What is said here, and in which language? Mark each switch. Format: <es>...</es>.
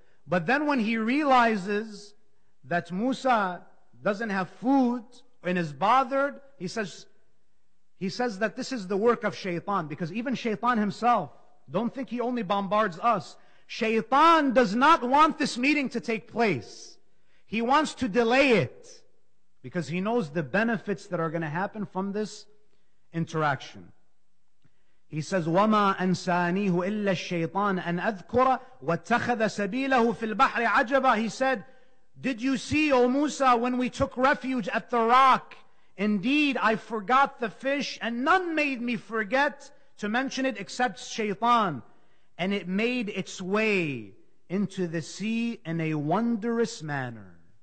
<en>But then when he realizes that Musa doesn't have food and is bothered, he says that this is the work of shaytan, because even shaytan himself, don't think he only bombards us. Shaytan does not want this meeting to take place. He wants to delay it because he knows the benefits that are going to happen from this interaction. He says,</en> <ar>وَمَا أَنْسَانِيهُ إِلَّا الشَّيْطَانَ أَنْ أَذْكُرَ وَاتَّخَذَ سَبِيلَهُ فِي الْبَحْرِ عَجَبًا.</ar> <en>He said, did you see, O Musa, when we took refuge at the rock? Indeed, I forgot the fish, and none made me forget to mention it except shaitan. And it made its way into the sea in a wondrous manner.</en>